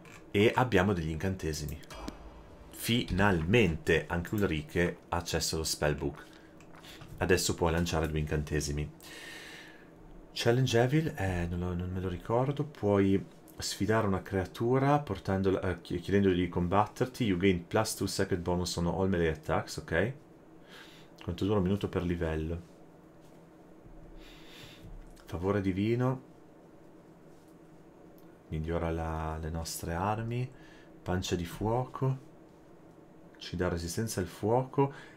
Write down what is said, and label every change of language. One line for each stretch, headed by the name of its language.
Italian: E abbiamo degli incantesimi. Finalmente anche Ulrike ha accesso allo spellbook. Adesso può lanciare due incantesimi. Challenge Evil, non me lo ricordo. Puoi sfidare una creatura chiedendogli di combatterti.
English: You gain plus 2 second bonus on all melee attacks.
Italian: Ok, quanto dura un minuto per livello? Favore divino. Migliora le nostre armi. Pancia di fuoco. Ci dà resistenza al fuoco.